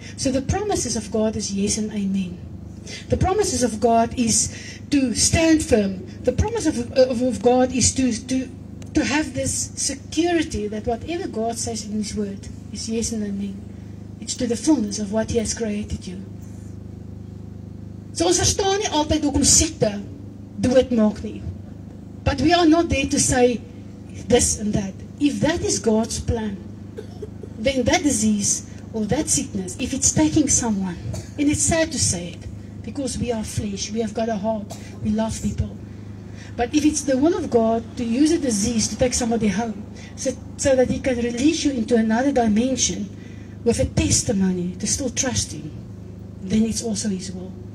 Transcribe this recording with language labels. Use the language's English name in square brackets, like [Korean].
[English] So the promises of God is yes and amen. The promises of God is to stand firm. The promise of God is to have this security that whatever God says in his word, it's yes and amen. It's to the fullness of what he has created you. [Afrikaans] So ons verstaan nie altyd hoekom siekte dood maak nie. [English] But we are not there to say this and that. If that is God's plan, then that disease or that sickness, if it's taking someone, and it's sad to say it, because we are flesh, we have got a heart, we love people. But if it's the will of God to use a disease to take somebody home, so that he can release you into another dimension with a testimony to still trust him, then it's also his will.